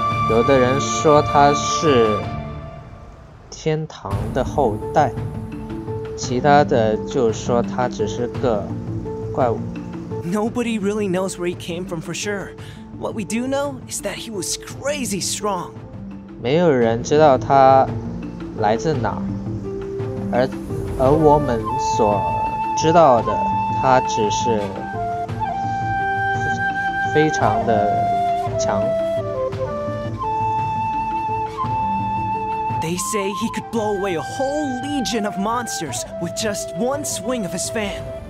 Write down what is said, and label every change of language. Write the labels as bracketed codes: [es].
[zh] 有的人说他是天堂的后代，其他的就说他只是个怪物。 [en] Nobody really knows where he came from for sure. What we do know is that he was crazy strong. [zh] 没有人知道他来自哪儿，而我们所知道的，他只是非常的强。 [en] They say he could blow away a whole legion of monsters with just one swing of his fan.